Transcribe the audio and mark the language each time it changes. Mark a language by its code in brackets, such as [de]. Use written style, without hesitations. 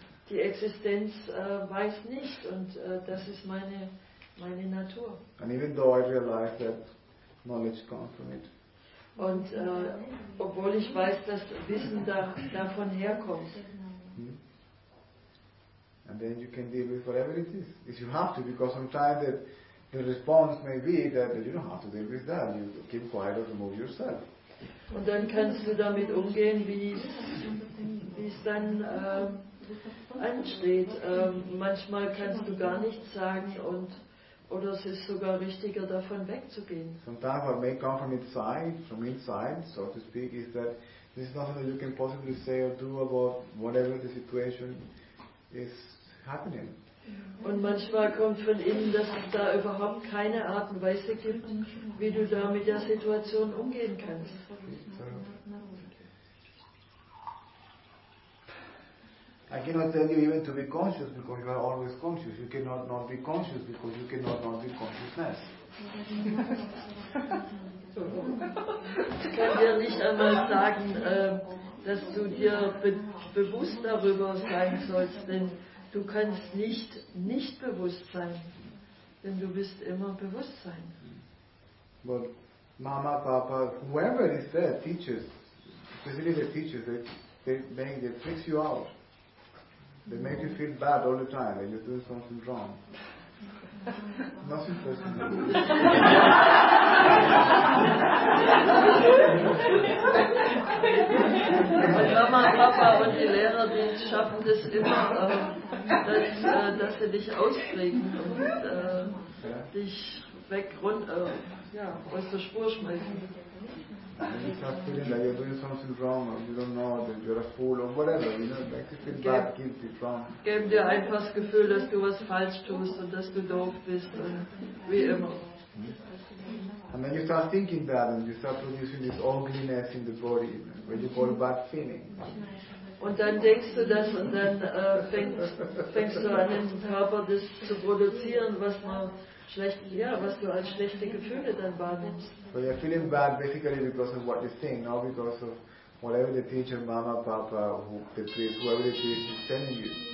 [de] Die Existenz weiß nicht und das ist meine Natur. [en] And even though I realize that knowledge comes from it. [de] Und obwohl ich weiß, dass Wissen davon herkommt. [en] And then you can deal with whatever it is. If you have to, because sometimes the response may be that you don't have to deal with that. You keep quiet or remove yourself. [de] Und dann kannst du damit umgehen, wie es dann ansteht. Manchmal kannst du gar nichts sagen und oder es ist sogar richtiger, davon wegzugehen. [en] Sometimes what may come from inside, so to speak, is that this is nothing that you can possibly say or do about whatever the situation is happening. [de] Und manchmal kommt von innen, dass es da überhaupt keine Art und Weise gibt, wie du da mit der Situation umgehen kannst. [en] I cannot tell you even to be conscious because you are always conscious. You cannot not be conscious because you cannot not be consciousness. [de] Ich kann dir nicht einmal sagen, dass du dir bewusst darüber sein sollst, denn du kannst nicht nicht bewusst sein, denn du bist immer Bewusstsein. [en] But Mama, Papa, whoever is there, teachers, especially the teachers, they fix you out. They make you feel bad all the time when you're doing something wrong. Nothing personal. [de] Mama, Papa und die Lehrer, die schaffen das immer, dass sie dich auskriegen und dich weg rund, aus der Spur schmeißen. [en] And you start feeling that you're doing something wrong, or you don't know, that you're a fool, or whatever, you know, like you feel bad, guilty, wrong. [de] Geben dir einfach das Gefühl, dass du was falsch tust und dass du doof bist, und wie immer. [en] And then you start thinking that, and you start producing this ugliness in the body, where you call it bad feeling. [de] Und dann denkst du das, und dann fängst du an, im Körper das zu produzieren, was man schlecht, was du als schlechte Gefühle dann wahrnimmst. [en] So you're feeling bad basically because of what you think, not because of whatever the teacher, Mama, Papa, the priest, whoever it is telling you.